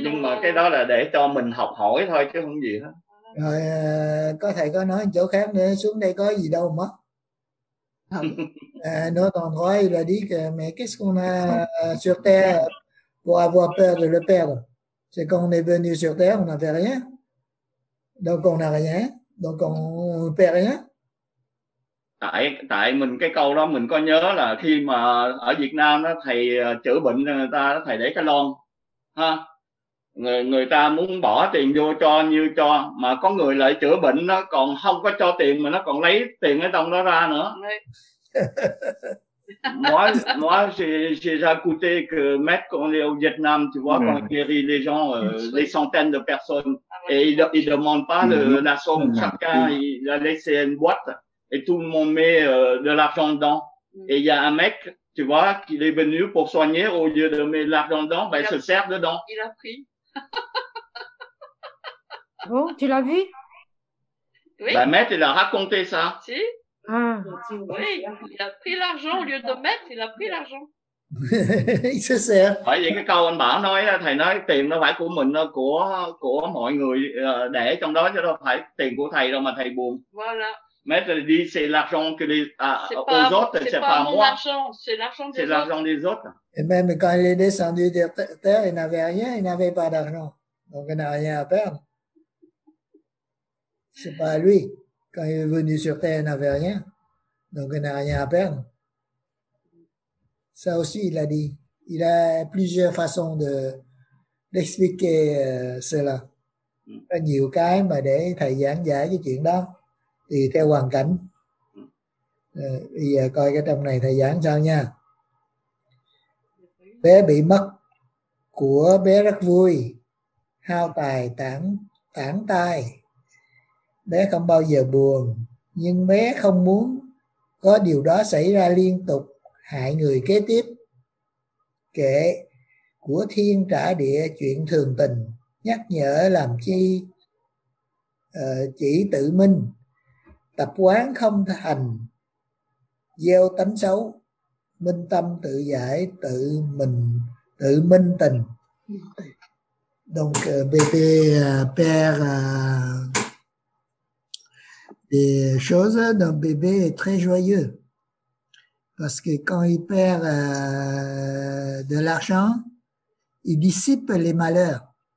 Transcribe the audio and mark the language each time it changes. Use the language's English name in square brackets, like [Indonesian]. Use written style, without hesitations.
[Vietnamese] Nhưng mà cái đó là để cho mình học hỏi thôi chứ không gì hết. Rồi có thầy có nói chỗ khác nữa, xuống đây có gì đâu mất. Nó toàn nói là đi [French] que mais qu'est-ce qu'on a sur terre pour avoir peur de le perdre? C'est quand on est venu sur terre, on n'avait rien. Donc on n'a rien, donc on perd rien. [Vietnamese] Tại mình cái câu đó mình có nhớ là khi mà ở Việt Nam đó thầy chữa bệnh người ta đó, thầy để cái lon ha, người ta muốn bỏ tiền vô cho như cho mà có người lại chữa bệnh nó còn không có cho tiền mà nó còn lấy tiền ở trong đó ra nữa. [French] moi j'ai écouté que mettre qu'on est au Vietnam tu vois qu'on guérit les gens des centaines de personnes et ils demandent pas la somme, chacun il a laissé une boîte. Et tout le monde met de l'argent dedans. Et il y a un mec, tu vois, qui est venu pour soigner, au lieu de mettre de l'argent dedans, ben, il se sert dedans. Il a pris. Bon, tu l'as vu? Oui. Ben, maître, il a raconté ça. Si. Oui, il a pris l'argent au lieu de mettre, il a pris l'argent. Il se sert. [Vietnamese] Ouais, vậy cái câu anh Bảo nói, thầy nói tiền nó phải của mình, của mọi người để trong đó, chứ đâu phải tiền của thầy đâu mà thầy buồn. [French] Voilà. Maître dit c'est l'argent que les aux autres, c'est pas moi. C'est l'argent des autres. Et même quand il est descendu de terre, il n'avait rien, il n'avait pas d'argent. Donc il n'a rien à perdre. C'est pas lui. Quand il est venu sur terre, il n'avait rien. Donc il n'a rien à perdre. Ça aussi, il a dit. Il a plusieurs façons d'expliquer cela. Il y a [Vietnamese] nhiều cái mà để thầy giảng giải cái chuyện đó. Thì theo hoàn cảnh. Bây giờ coi cái trong này thầy giảng sao nha. Bé bị mất của bé rất vui, hao tài tản tai. Bé không bao giờ buồn, nhưng bé không muốn có điều đó xảy ra liên tục hại người kế tiếp. Kệ của thiên trả địa chuyện thường tình, nhắc nhở làm chi chỉ tự minh. Tập quán không thành, gieo tánh xấu, minh tâm tự giải, tự mình, tự minh tình. [French] Donc, bébé perd des choses. Donc, bébé est très joyeux. Parce que quand il perd de l'argent, il dissipe les malheurs.